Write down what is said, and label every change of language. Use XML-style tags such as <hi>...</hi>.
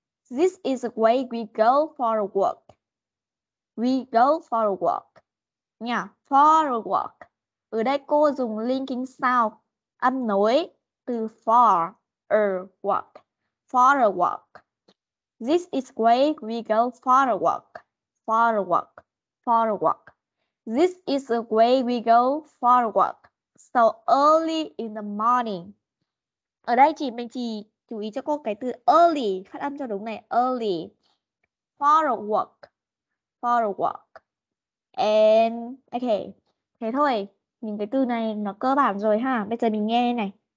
<en>This is where we go for a walk. We go for a walk. Yeah, for a walk.</en> <vi>Ở đây cô dùng linking sound. Âm nối từ</vi> <en>for a walk. For a walk. This is where we go for a walk. For a walk. For a walk. This is the way we go for a walk. So early in the morning.</en> <vi>Ở đây chị mình chỉ chú ý cho cô cái từ early, phát âm cho đúng này, early.</vi> <en>For a walk. For a walk. And okay.</en> <vi>Thế thôi, mình cái từ này nó cơ bản rồi ha. Bây giờ mình nghe này.</vi>